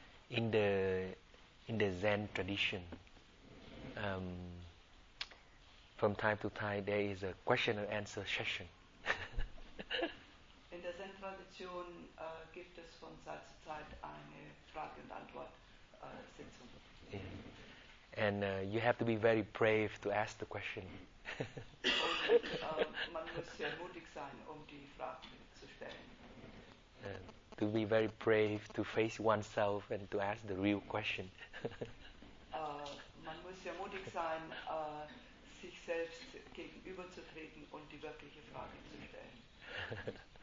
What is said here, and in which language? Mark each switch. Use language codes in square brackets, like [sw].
[en] In the Zen tradition, from time to time there is a question and answer session. [de] In der Zen Tradition gibt es von Zeit zu Zeit eine Frage und Antwort Sitzung. [en] And you have to be very brave to ask the question. [de] Man muss sehr mutig sein, um die Fragen zu stellen. [en] To be very brave to face oneself and to ask the real question. [de] Man muss sehr mutig sein, sich selbst gegenüberzutreten und die wirkliche Frage zu stellen.